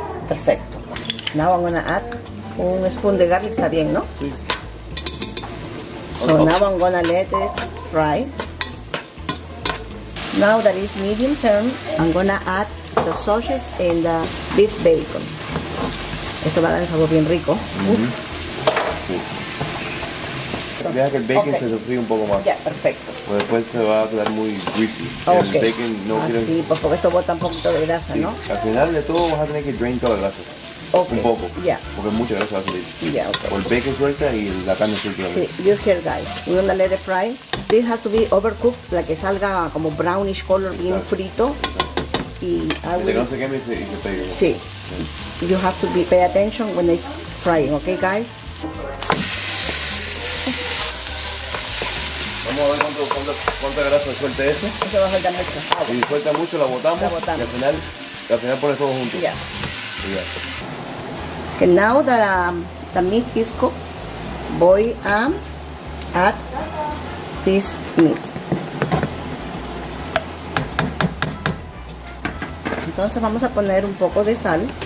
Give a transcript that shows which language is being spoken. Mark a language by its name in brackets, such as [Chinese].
[English] Perfecto. Now I'm gonna add [Spanish] un spoon de garlic, está bien, ¿no? Sí. [English] So now I'm gonna let it fry. Now that is medium term, I'm gonna add the sausages and the beef bacon. [Spanish] Esto va a dar un sabor bien rico. Deja que el bacon se sofríe un poco más. Ya, yeah, perfecto. Pero después se va a quedar muy greasy. [English] Okay. [Spanish] El bacon no quiere... Ah, sí, pues porque esto bota un poquito de grasa, sí. ¿No? Al final de todo vas a tener que [English] drain [Spanish] toda la grasa. [English] Okay. [Spanish] Un poco. Ya. Yeah. Porque mucha grasa va a salir. Ya, yeah, ok. O el bacon suelta y la carne suelta. [English] Sí, you hear guys. We're gonna let it fry. This has to be overcooked, [Spanish] la que salga como brownish color, bien exacto. Frito. Y algo. Que no se queme y se pegue. Sí. [English] You have to be, pay attention when it's frying, okay guys? [Spanish] Vamos a ver cuánta grasa suelte eso. Eso va a soltar mucho. Si suelta mucho, la botamos. La botamos. Y al final pones todo junto. Ya. Yeah. Ya. [English] Okay, now that the meat is cooked, [Spanish] voy a [English] add this meat. [Spanish] Entonces vamos a poner un poco de sal.